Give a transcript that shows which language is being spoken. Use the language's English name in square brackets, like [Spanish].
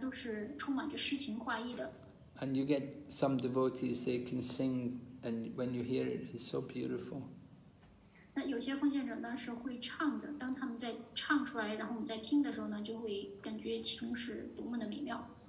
[Chinese] 那这是非常美的诗节，所有的这些诗节呢，都是充满着诗情画意的。 [English] And you get some devotees, they can sing, and when you hear it, it's so beautiful. [Chinese] 那有些奉献者呢，是会唱的，当他们在唱出来，然后我们在听的时候呢，就会感觉其中是多么的美妙。